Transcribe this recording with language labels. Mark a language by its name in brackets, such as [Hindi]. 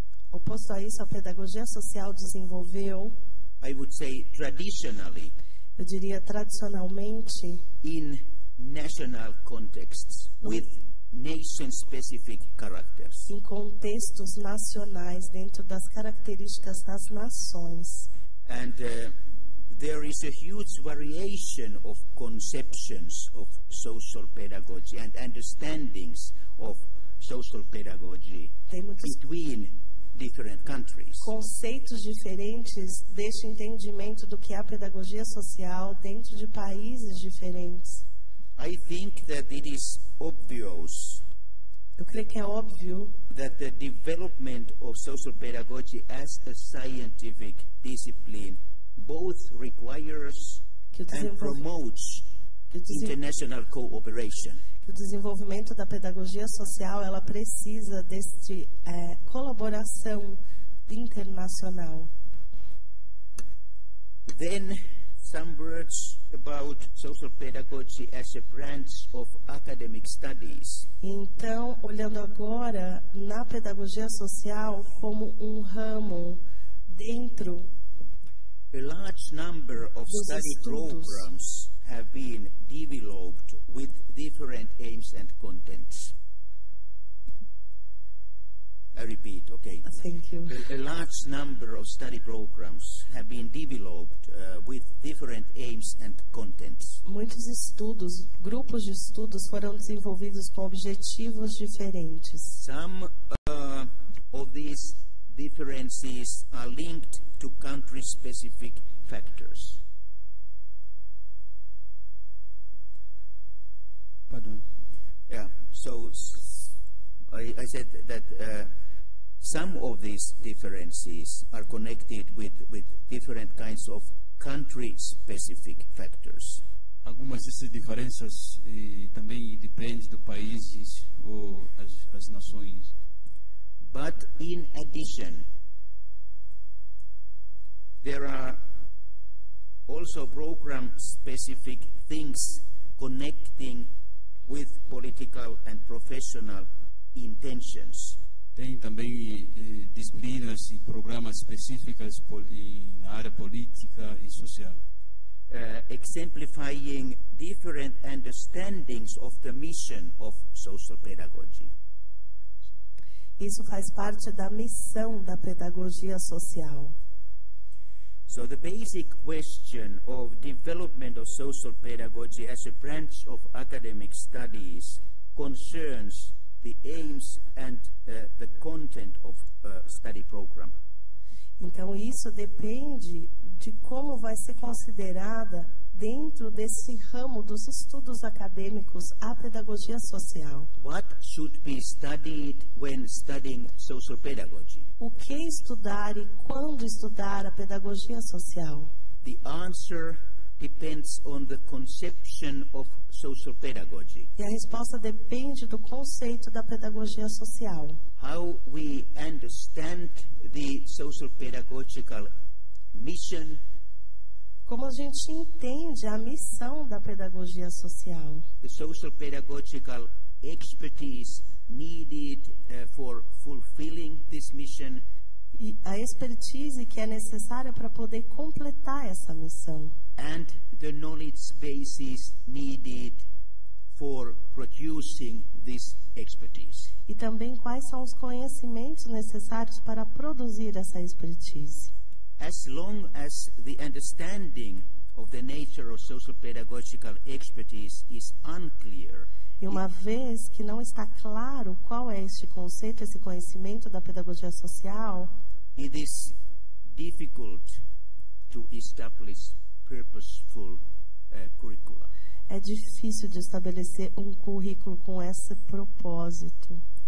[Portuguese] Oposto a isso, a pedagogia social desenvolveu, [English] I would say traditionally, [Portuguese] eu diria tradicionalmente, [English] in national contexts with nation-specific characters. [Portuguese] Em contextos nacionais, dentro das características das nações. [English] And there is a huge variation of conceptions of social pedagogy and understandings of social pedagogy between different countries. [Portuguese] Conceitos diferentes deste entendimento do que é a pedagogia social dentro de países diferentes. [English] I think that it is obvious. [Portuguese] Eu creio que é óbvio [English] that the development of social pedagogy as a scientific discipline both requires and promotes international cooperation. [Portuguese] O desenvolvimento da pedagogia social, ela precisa deste colaboração internacional. [English] Then, some words about social pedagogy as a branch of academic studies. [Portuguese] Então, olhando agora na pedagogia social como um ramo dentro [English] a large number of [Portuguese] dos [English] study [Portuguese] estudos. [English] Programs have been developed with different aims and contents. I repeat, okay. Thank you. A large number of study programs have been developed with different aims and contents. Muitos estudos, grupos de estudos foram desenvolvidos com objetivos diferentes. Some of these differences are linked to country-specific factors. Pardon. Yeah, so I said that some of these differences are connected with different kinds of country-specific factors. [Portuguese] Algumas dessas diferenças também dependem do países ou as nações. [English] But in addition, there are also program-specific things connecting with political and professional intentions. [Portuguese] Tem também disciplinas e programas específicas na área política e social. [English] Exemplifying different understandings of the mission of social pedagogy. [Portuguese] Isso faz parte da missão da pedagogia social. [English] So the basic question of development of social pedagogy as a branch of academic studies concerns the aims and the content of a study program. [Portuguese] Então isso depende de como vai ser considerada dentro desse ramo dos estudos acadêmicos a pedagogia social. [English] What should be studied when studying social pedagogy? [Portuguese] O que estudar e quando estudar a pedagogia social? [English] The answer depends on the conception of social pedagogy. [Portuguese] E a resposta depende do conceito da pedagogia social. [English] How we understand the social pedagogical mission. [Portuguese] Como a gente entende a missão da pedagogia social? [English] The social pedagogical expertise needed for fulfilling this mission. [Portuguese] E a expertise que é necessária para poder completar essa missão. [English] And the knowledge bases needed for producing this expertise. [Portuguese] E também quais são os conhecimentos necessários para produzir essa expertise. [English] As long as the understanding of the nature of social pedagogical expertise is unclear. [Portuguese] E uma vez que não está claro qual é este conceito, esse conhecimento da pedagogia social, [English] it is difficult to establish purposeful curricula. [Portuguese] É difícil de estabelecer um currículo com esse propósito.